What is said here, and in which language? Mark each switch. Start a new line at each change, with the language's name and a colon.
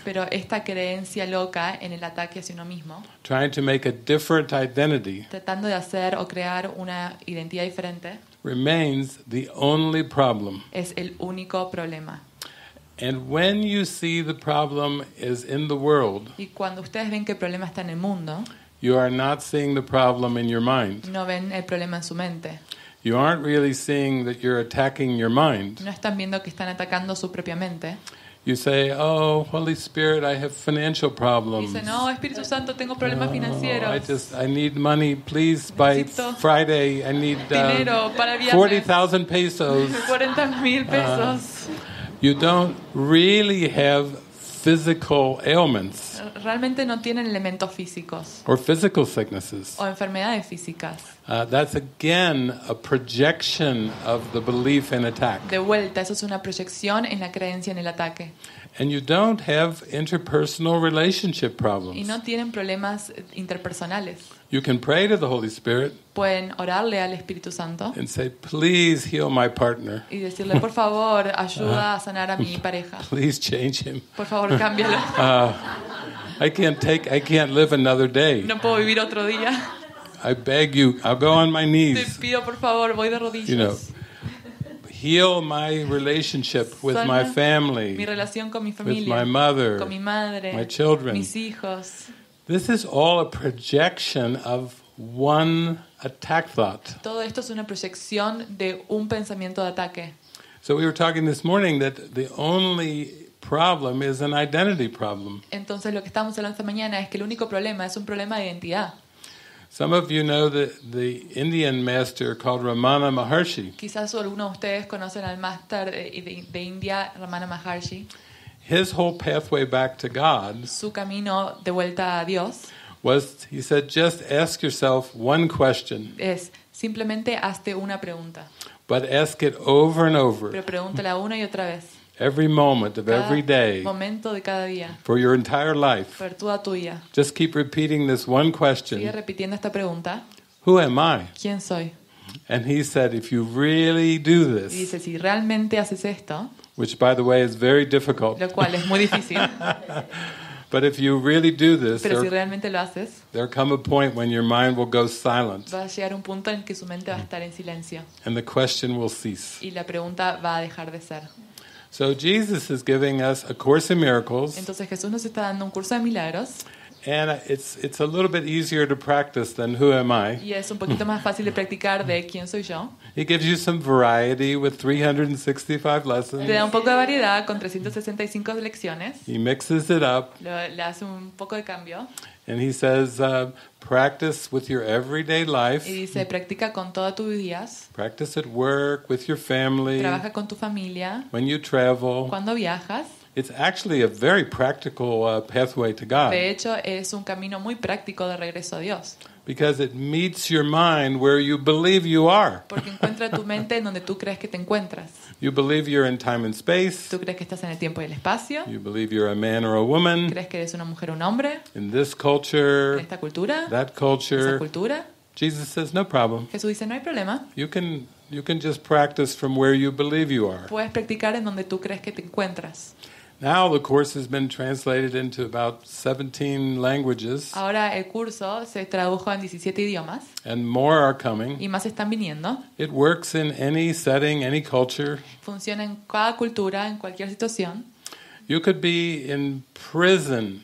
Spanish: Pero esta creencia loca en el ataque hacia uno mismo.
English: Trying to make a different identity.
Spanish: Tratando de hacer o crear una identidad diferente.
English: Remains the only problem.
Spanish: Es el único problema.
English: And when you see the problem is in the world.
Spanish: Y cuando ustedes ven que el problema está en el mundo.
English: You are not seeing the problem in your mind.
Spanish: No ven el problema en su mente.
English: You aren't really seeing that you're attacking your mind.
Spanish: No están viendo que están atacando su propia mente.
English: You say, "Oh, Holy Spirit, I have financial problems."
Spanish: Dice, "No, Espíritu Santo, tengo problemas financieros."
English: Oh, I need money, please, by Friday. I need
Spanish: dinero para viajes.
English: 40,000 pesos.
Spanish: 40,000 pesos.
English: You don't really have physical ailments.
Spanish: realmente no tienen elementos físicos.
English: Or physical sicknesses.
Spanish: O enfermedades físicas.
English: That's again a projection of the belief in attack.
Spanish: De vuelta, eso es una proyección en la creencia en el ataque.
English: And you don't have interpersonal relationship problems.
Spanish: Y no tienen problemas interpersonales.
English: You can pray to the Holy Spirit.
Spanish: Pueden orarle al Espíritu Santo.
English: And say, please heal my partner.
Spanish: Y decirle, por favor, ayuda a sanar a mi pareja.
English: Please change him.
Spanish: Por favor, cámbialo.
English: I can't live another day.
Spanish: No puedo vivir otro día.
English: I beg you, I'll go on my knees.
Spanish: Te pido, por favor, voy de rodillas.
English: You know, heal my relationship with
Spanish: sana
English: my family.
Spanish: Mi relación con mi familia.
English: With my mother.
Spanish: Con mi madre.
English: My children.
Spanish: Mis hijos.
English: This is all a projection of one attack thought.
Spanish: Todo esto es una proyección de un pensamiento de ataque.
English: So we were talking this morning that the only problem is an identity problem.
Spanish: Entonces lo que estamos hablando esta mañana es que el único problema es un problema de identidad.
English: Some of you know the Indian master called Ramana Maharshi.
Spanish: Quizás algunos de ustedes conocen al máster de India, Ramana Maharshi.
English: His whole pathway back to God.
Spanish: Su camino de vuelta a Dios.
English: Was, he said, just ask yourself one question.
Spanish: Es simplemente hazte una pregunta.
English: But ask it over and over.
Spanish: Pero pregúntala una y otra vez.
English: Every moment of
Spanish: cada
English: every day.
Spanish: Momento de cada día.
English: For your entire life.
Spanish: Por toda tu vida.
English: Just keep repeating this one question.
Spanish: Sigue repitiendo esta pregunta.
English: Who am I?
Spanish: ¿Quién soy?
English: And he said, if you really do this.
Spanish: Y dice, si realmente haces esto.
English: Which, by the way, is very difficult.
Spanish: Lo cual es muy difícil.
English: But if you really do this,
Spanish: pero si realmente lo haces,
English: there come a point when your mind will go silent.
Spanish: Va a llegar un punto en que su mente va a estar en silencio.
English: And the question will cease.
Spanish: Y la pregunta va a dejar de ser.
English: So Jesus is giving us a course in miracles.
Spanish: Entonces Jesús nos está dando un curso de milagros.
English: And it's a little bit easier to practice than who am I?
Spanish: Y es un poquito más fácil de practicar de quién soy yo.
English: He gives you some variety with 365 lessons.
Spanish: Te da un poco de variedad con 365 lecciones.
English: He mixes it up.
Spanish: Le hace un poco de cambio.
English: And he says, practice with your everyday life.
Spanish: Y dice, practica con toda tu vida.
English: Practice at work with your family.
Spanish: Trabaja con tu familia.
English: When you travel.
Spanish: Cuando viajas.
English: It's actually a very practical pathway to God.
Spanish: De hecho, es un camino muy práctico de regreso a Dios.
English: Because it meets your mind where you believe you are.
Spanish: Porque encuentra tu mente en donde tú crees que te encuentras.
English: You believe you're in time and space.
Spanish: Tú crees que estás en el tiempo y el espacio.
English: You believe you're a man or a woman.
Spanish: Crees que eres una mujer o un hombre.
English: In this culture.
Spanish: En esta cultura.
English: That culture.
Spanish: Esa cultura.
English: Jesus says no problem.
Spanish: Jesús dice no hay problema.
English: You can just practice from where you believe you are.
Spanish: Puedes practicar en donde tú crees que te encuentras.
English: Now the course has been translated into about 17 languages.
Spanish: Ahora el curso se tradujo en 17 idiomas.
English: And more are coming.
Spanish: Y más están viniendo.
English: It works in any setting, any culture.
Spanish: Funciona en cada cultura, en cualquier situación.
English: You could be in prison.